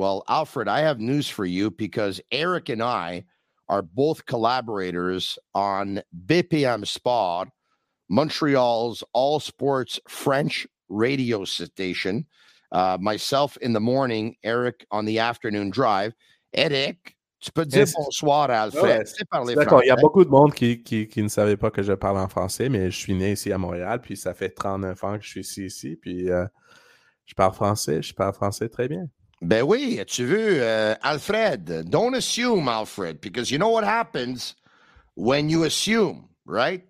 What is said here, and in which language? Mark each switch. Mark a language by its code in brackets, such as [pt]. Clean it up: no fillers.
[en] Well, Alfred, I have news for you, because Eric and I are both collaborators on BPM Sport, Montreal's all sports French radio station. Myself in the morning, Eric on the afternoon drive. [fr] Eric. Tu peux dire bonsoir, Alfred. Ouais, d'accord, il y a beaucoup de monde qui ne savait pas que je parle en français, mais je suis né ici à Montréal, puis ça fait 39 ans que je suis ici, puis je parle français très bien. Ben oui, as-tu vu, [en] Alfred, don't assume, Alfred, because you know what happens when you assume, right?